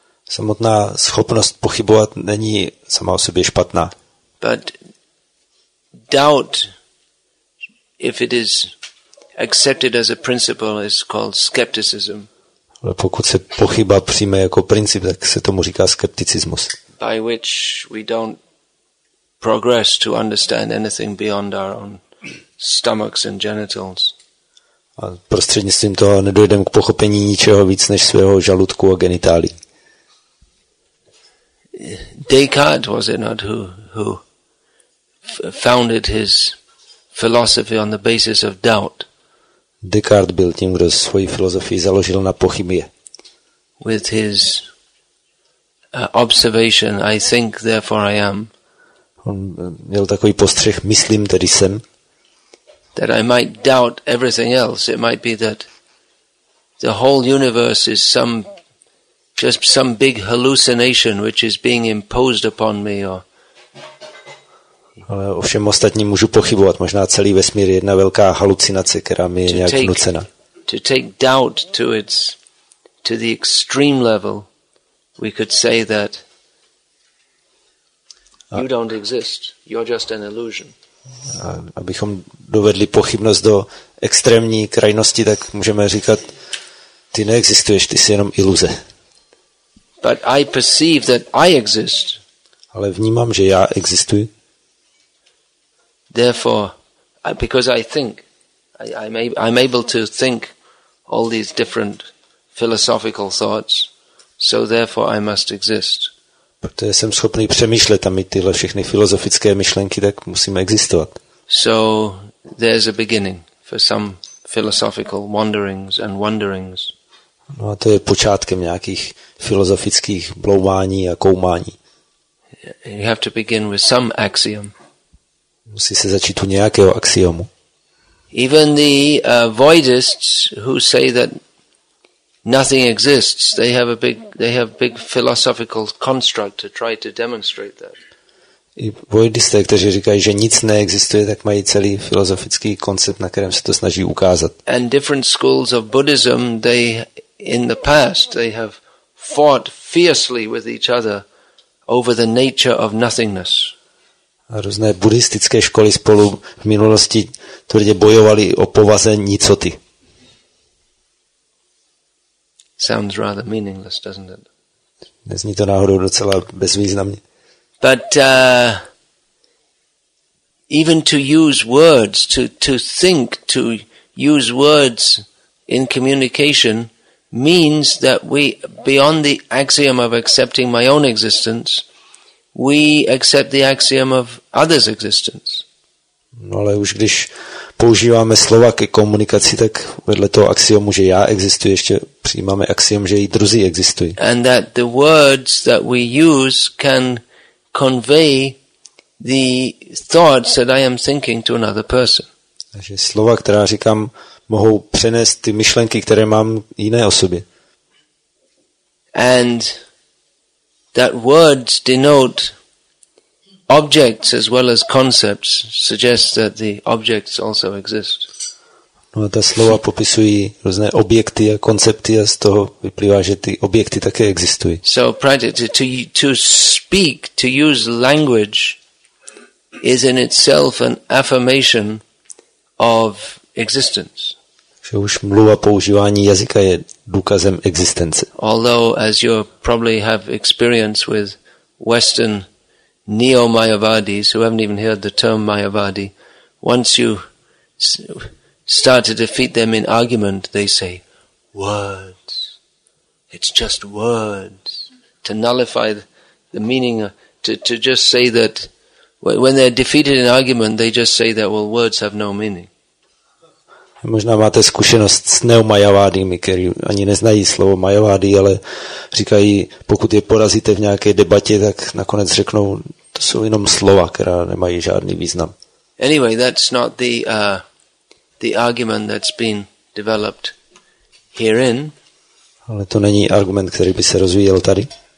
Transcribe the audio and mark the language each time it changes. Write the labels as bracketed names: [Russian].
[Czech] Samotná schopnost pochybovat není sama o sobě špatná. [English] But doubt, if it is accepted as a principle, is called skepticism. [Czech] Ale pokud se pochyba přijme jako princip, tak se tomu říká skepticismus. [English] By which we don't progress to understand anything beyond our own stomachs and genitals. [Czech] A prostřednictvím toho nedojdeme k pochopení ničeho víc než svého žaludku a genitálií. [English] Descartes, was it not, who founded his philosophy on the basis of doubt? [Czech] Descartes byl tím, kdo svoji filozofii založil na pochybě. [English] With his observation, I think, therefore I am. [Czech] On měl takový postřeh, myslím, tedy jsem. [English] That I might doubt everything else. It might be that the whole universe is just some big hallucination which is being imposed upon me. Or... [Czech] Ale o všem ostatním můžu pochybovat. Možná celý vesmír je jedna velká halucinace, která mi je nějak vnucena. [English] To take doubt to the extreme level, we could say that you don't exist. You're just an illusion. [Czech] Abychom dovedli pochybnost do extrémní krajnosti, tak můžeme říkat, ty neexistuješ, ty jsi jenom iluze. [English] But I perceive that I exist. [Czech] Ale vnímám, že já existuji. [English] Therefore, because I think, I'm able to think all these different philosophical thoughts, so therefore I must exist. [Czech] Protože jsem schopný přemýšlet a mít tyhle všechny filozofické myšlenky, tak musím existovat. [English] So there's a beginning for some philosophical wanderings and wonderings. [Czech] No a to je počátkem nějakých filozofických bloumání a koumání. [English] You have to begin with some axiom. [Czech] Musí se začít u nějakého axiomu. [English] Even the voidists who say that nothing exists. They have a big philosophical construct to try to demonstrate that. [Czech] I voidisté, kteří říkají, že nic neexistuje, tak mají celý filozofický koncept, na kterém se to snaží ukázat. [English] And different schools of Buddhism, they in the past they have fought fiercely with each other over the nature of nothingness. [Czech] A různé buddhistické školy spolu v minulosti tvrdě bojovali o povaze nicoty. [English] Sounds rather meaningless, doesn't it? [Czech] Nezní to náhodou docela bezvýznamně. [English] But even to use words, to think, to use words in communication means that we, beyond the axiom of accepting my own existence, we accept the axiom of others' existence. [Czech] No ale už když používáme slova ke komunikaci, tak vedle toho axiomu, že já existuji, ještě přijímáme axiom, že i druzí existují. [English] And that the words that we use can convey the thoughts that I am thinking to another person. [Czech] Takže slova, která říkám, mohou přenést ty myšlenky, které mám jiné osobě. [English] And that words denote objects as well as concepts suggest that the objects also exist. [Czech] No, ta slova popisují různé objekty a koncepty a z toho vyplývá, že ty objekty také existují. [English] So to speak, to use language is in itself an affirmation of existence. [Czech] Že už mluva, používání jazyka je důkazem existence. [English] Although as you probably have experience with Western Neo-Mayavadis, who haven't even heard the term Mayavadi, once you start to defeat them in argument, they say, words, it's just words, to nullify the meaning, to just say that, when they're defeated in argument, they just say that, well, words have no meaning. [Czech] Možná máte zkušenost s neomajavádými, který ani neznají slovo majavády, ale říkají, pokud je porazíte v nějaké debatě, tak nakonec řeknou, To jsou jenom slova, která nemají žádný význam. [English] Anyway, that's not the argument that's been developed herein. [Czech] Ale to není argument, který by se rozvíjel tady.